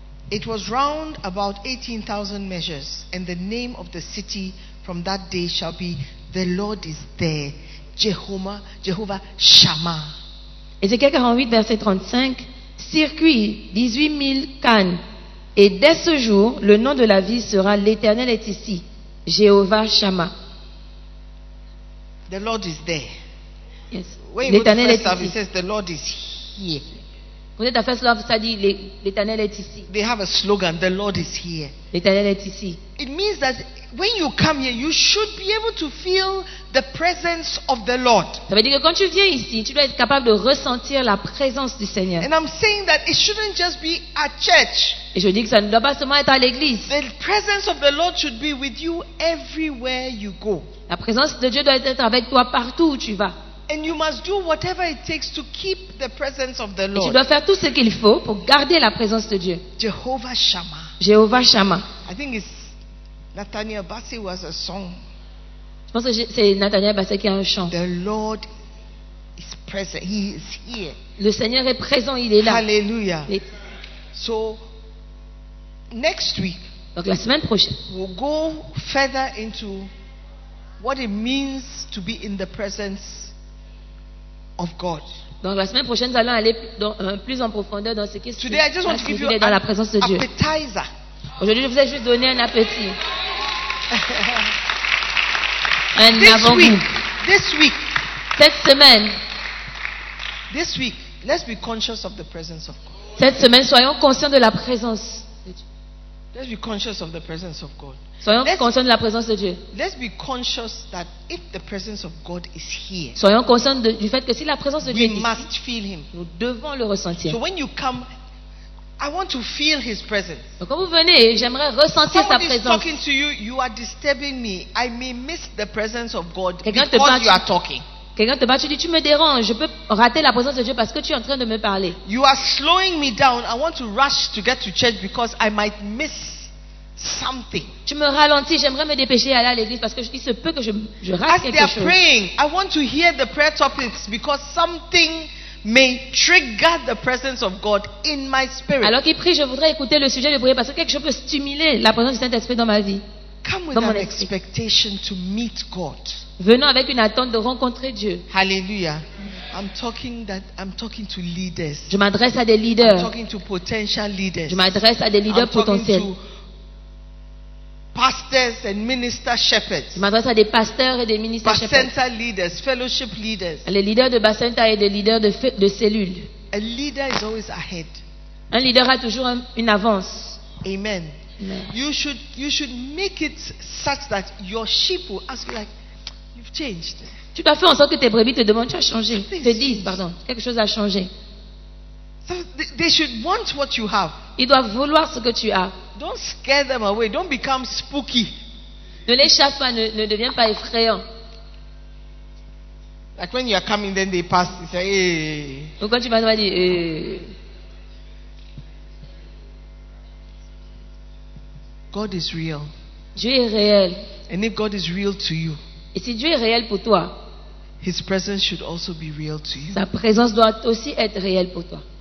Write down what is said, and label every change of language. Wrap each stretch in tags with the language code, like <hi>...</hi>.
<en>It was round about 18,000 measures, and the name of the city from that day shall be The Lord is there, Jehovah, Jehovah Shammah.</en> <fr>Ézéchiel 48, verset 35, circuit 18 000 cannes, et dès ce jour, le nom de la ville sera L'Éternel est ici, Jehovah Shammah.</fr> <en>The Lord is there. Yes. Wait,</en> <fr>L'Éternel est ici.</fr> <en>It says the Lord is here.</en> <fr>Vous êtes à First Love, ça dit l'Éternel est ici.</fr> <en>They have a slogan, the Lord is here.</en> <fr>L'Éternel est ici.</fr> <en>It means that when you come here, you should be able to feel the presence of the Lord.</en> <fr>Ça veut dire que quand tu viens ici, tu dois être capable de ressentir la présence du Seigneur.</fr> <en>And I'm saying that it shouldn't just be at church.</en> <fr>Et je dis que ça ne doit pas seulement être à l'église.</fr> <en>The presence of the Lord should be with you everywhere you go.</en> <fr>La présence de Dieu doit être avec toi partout où tu vas.</fr> <en>And you must do whatever it takes to keep the presence of the Lord.</en> <fr>Et tu dois faire tout ce qu'il faut pour garder la présence de Dieu. Jehovah Shammah. Jehovah Shammah.</fr> <en>I think it's Nathaniel Bassey who has a song.</en> <fr>Je pense que c'est Nathaniel Bassey qui a un chant.</fr> <en>The Lord is present. He is here.</en> <fr>Le Seigneur est présent, il est là.</fr> <en>Hallelujah. Et... So next week.</en> <fr>Donc la semaine prochaine.</fr> <en>We'll go further into what it means to be in the presence of God.</en> <fr>Donc la semaine prochaine, nous allons aller plus en profondeur dans ce qui se passe dans la présence de Dieu.</fr> <en>Appetizer.</en> <fr>Aujourd'hui, je vous ai juste donné un appétit. Un avant-goût.</fr> <en>This week.</en> <fr>Cette semaine.</fr> <en>This week, let's be conscious of the presence of God.</en> <fr>Cette semaine, soyons conscients de la présence de Dieu.</fr> <en>Let's be conscious of the presence of God.</en> <fr>Soyons conscients de la présence de Dieu.</fr> <en>Let's be conscious that if the presence of God is here.</en> <fr>Soyons conscients du fait que si la présence de Dieu est ici,</fr> <en>we must feel him.</en> <fr>Nous devons le ressentir.</fr> <en>So when you come, I want to feel his presence.</en> <fr>Donc quand vous venez, j'aimerais ressentir</fr> <en>someone</en> <fr>sa présence.</fr> <en>Someone is talking to you, you are disturbing me. I may miss the presence of God because you are talking.</en> <fr>Quelqu'un te bat, tu dis tu me déranges, je peux rater la présence de Dieu parce que tu es en train de me parler.</fr> <en>You are slowing me down. I want to rush to get to church because I might miss something.</en> <fr>Tu me ralentis, j'aimerais me dépêcher aller à l'église parce que il se peut que je rate quelque</fr> <en>chose. As they are praying, I want to hear the prayer topics because something may trigger the presence of God in my spirit.</en> <fr>Alors qu'ils prient, je voudrais écouter le sujet de prière parce que quelque chose peut stimuler la présence du Saint-Esprit dans ma vie.</fr> <en>Come with an expectation to meet God.</en> <fr>Venons avec une attente de rencontrer Dieu.</fr> <en>Hallelujah. I'm talking to leaders.</en> <fr>Je m'adresse à des leaders.</fr> <en>I'm talking to potential leaders.</en> <fr>Je m'adresse à des leaders potentiels.</fr> <en>Pastors and minister shepherds.</en> <fr>Je m'adresse à des pasteurs et des ministres</fr> <en>shepherds. Bacenta leaders, fellowship leaders.</en> <fr>Les leaders de Bacenta et des leaders de cellules.</fr> <en>A leader is always ahead.</en> <fr>Un leader a toujours une avance. Amen.</fr> <en>You should make it such that your sheep will ask you like, you've changed.</en> <fr>Tu dois faire en sorte que tes brebis te demandent, tu as changé. Te disent, pardon, quelque chose a changé.</fr> <en>So they should want what you have.</en> <fr>Ils doivent vouloir ce que tu as.</fr> <en>Don't scare them away. Don't become spooky.</en> <fr>Ne les chasse pas. Ne deviens pas effrayant.</fr> <en>Like when you are coming, then they pass. They say, hey.</en> <fr>Ou quand tu vas dire, hey.</fr> <en>God is real.</en> <fr>Dieu est réel.</fr> <en>And if God is real to you,</en> <fr>et si Dieu est réel pour toi, his presence should also be real to you. Sa présence doit aussi être réelle pour toi.</fr>